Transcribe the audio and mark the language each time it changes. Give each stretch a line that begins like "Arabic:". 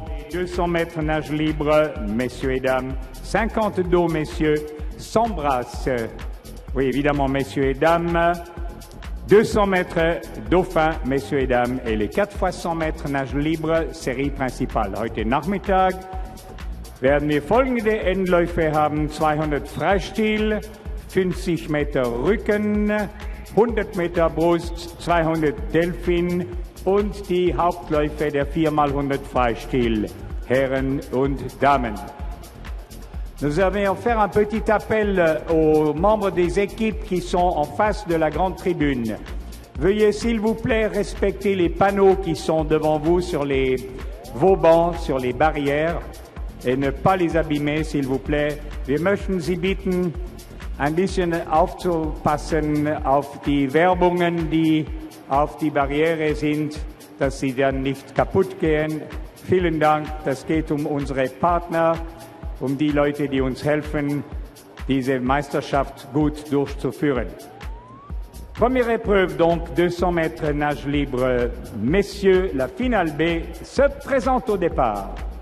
French: 200 mètres nage libre, messieurs et dames. 50 dos, messieurs. 100 brasses. Oui, évidemment, messieurs et dames. 200 mètres dauphin, messieurs et dames. Et les 4 fois 100 mètres nage libre, série principale.
German: Heute Nachmittag werden wir folgende Endläufe haben. 200 Freistil, 50 Meter Rücken, 100 Meter Brust, 200 Delfin und die Hauptläufe der 4x100 Freistil, Herren und Damen.
French: Nous allons faire un petit appel aux membres des équipes qui sont en face de la grande tribune. Veuillez s'il vous plaît respecter les panneaux qui sont devant vous sur les vaubans, sur les barrières, et ne pas les abîmer s'il vous plaît.
German: Wir möchten Sie bitten, ein bisschen aufzupassen auf die Werbungen, die auf die Barriere sind, dass sie dann nicht kaputt gehen. Vielen Dank, das geht um unsere Partner, um die Leute, die uns helfen, diese Meisterschaft gut durchzuführen.
French: Première épreuve, donc 200 mètres nage libre, messieurs, la finale B se présente au départ.